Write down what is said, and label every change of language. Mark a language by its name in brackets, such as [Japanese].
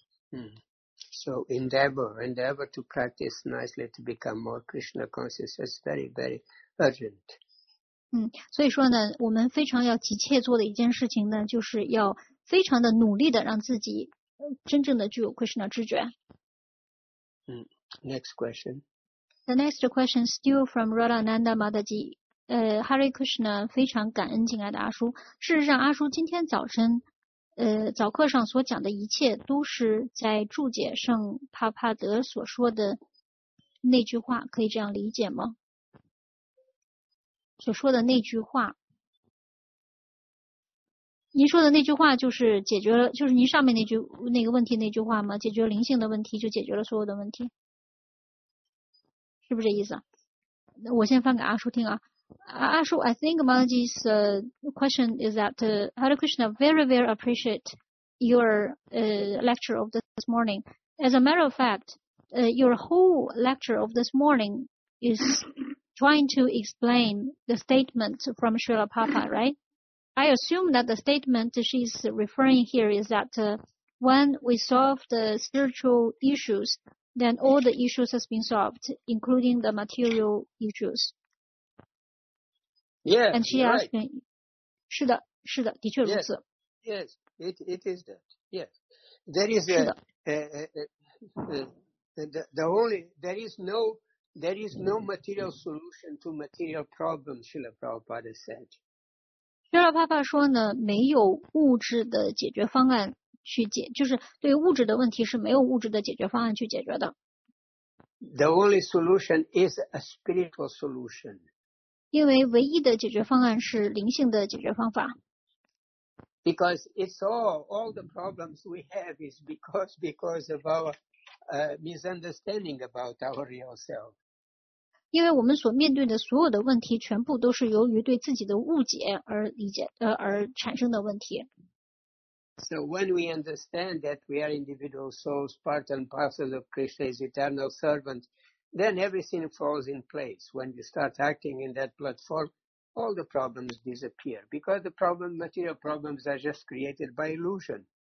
[English] So endeavor to practice nicely to become more Krishna conscious is very, very urgent. [Chinese] 所以说呢，我们非常要急切做的一件事情呢，就是要非常的努力的让自己真正的具有 Krishna 知觉。 [English] Next question. The next question is still from Radhananda Madhaji. [Chinese] Hare Krishna, 非常感恩敬爱的阿叔。事实上，阿叔今天早晨，早课上所讲的一切都是在注解圣帕帕德所说的那句话，可以这样理解吗？所说的那句话，您说的那句话就是解决了，就是您上面那句那个问题那句话吗？解决灵性的问题就解决了所有的问题，是不是这意思？我先翻给阿叔听啊。 [English] 阿叔 ，I think Madhaji's question is that Hare Krishna very appreciate your lecture of this morning. As a matter of fact, your whole lecture of this morning is trying to explain the statement from Srila Prabhupada, right? I assume that the statement she's referring here is that when we solve the spiritual issues, then all the issues has been solved, including the material issues. Yes, and she asked right. me, [Chinese] 是的，是的，的确如此。 [English] Yes, it is that. Yes, there is no material solution to material problems. Srila Prabhupada said. [Chinese] Srila Prabhupada 说呢，没有物质的解决方案去解，就是对物质的问题是没有物质的解决方案去解决的。 [English] The only solution is a spiritual solution. [Chinese] 因为唯一的解决方案是灵性的解决方法。 [English] Because it's all the problems we have is because of our misunderstanding about our real self. [Chinese] 因为我们所面对的所有的问题全部都是由于对自己的误解而理解而产生的问题。 [English] So when we understand that we are individual souls, part and parcel of Krishna's eternal servant, then everything falls in place. When you start acting in that platform, all the problems disappear. Because the problem, material problems are just created by illusion.